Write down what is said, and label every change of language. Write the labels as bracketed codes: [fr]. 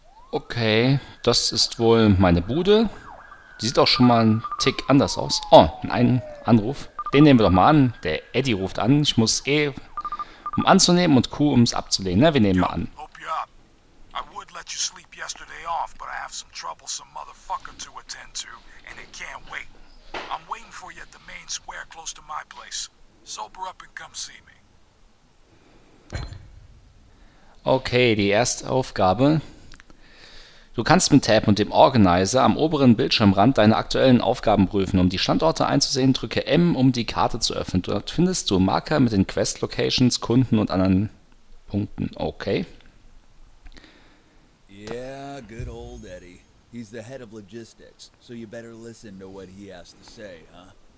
[de] Okay, das ist wohl meine Bude. Die sieht auch schon mal einen Tick anders aus. Oh, ein Anruf. Den nehmen wir doch mal an. Der Eddie ruft an. Ich muss E, um anzunehmen, und Q, um es abzulehnen. Na, wir nehmen mal an. [en] Hope you're up. I would let you sleep yesterday off, but I have some troublesome motherfucker to attend to, and it can't wait. I'm waiting for you at the main square close to my place. Sober up and come see me. [de] Okay, die erste Aufgabe. Du kannst mit Tab und dem Organizer am oberen Bildschirmrand deine aktuellen Aufgaben prüfen. Um die Standorte einzusehen, drücke M, um die Karte zu öffnen. Dort findest du Marker mit den Quest-Locations, Kunden und anderen Punkten. Okay. [en] Yeah, good old Eddie. He's the head of logistics, so you better listen to what he has to say, huh?